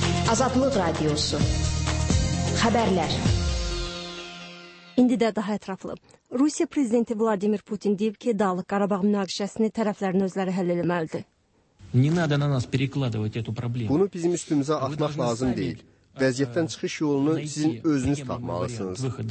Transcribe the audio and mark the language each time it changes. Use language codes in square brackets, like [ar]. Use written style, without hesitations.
[az] Azadlıq Radiosu. Xəbərlər. İndi də daha ətraflı. Rusiya Prezidenti Vladimir Putin deyib ki, Dağlıq Qarabağ münaqişəsini tərəflərin özləri həll eləməlidir. [ru] Не надо на нас перекладывать эту проблему. [az] Bunu bizim üstümüzə atmaq lazım deyil. Vəziyyətdən çıxış yolunu sizin özünüz tapmalısınız.